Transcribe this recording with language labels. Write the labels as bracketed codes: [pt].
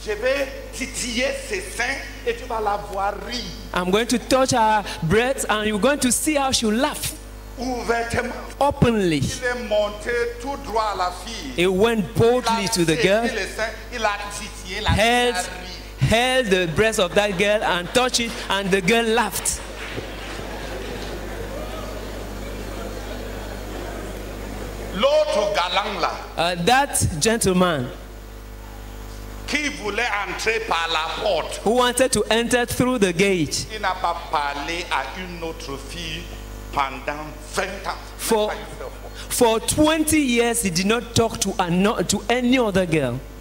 [fr] Je vais titiller ses seins et tu vas la voir rire. [en] I'm going to touch her breasts and you're going to see how she'll laugh. [fr] Ouvertement. [en] Openly. [fr] Il est monté tout droit à la fille. [en] He went boldly to the girl. [fr] Il a titillé la fille. [en] Held the breast of that girl and touched it, and the girl laughed. [fr] L'autre galant là. [en] That gentleman. [fr] Qui voulait entrer par la porte. [en] Who wanted to enter through the gate. [fr] Il n'a pas parlé à une autre fille. [en] For 20 years, he did not talk to any other girl.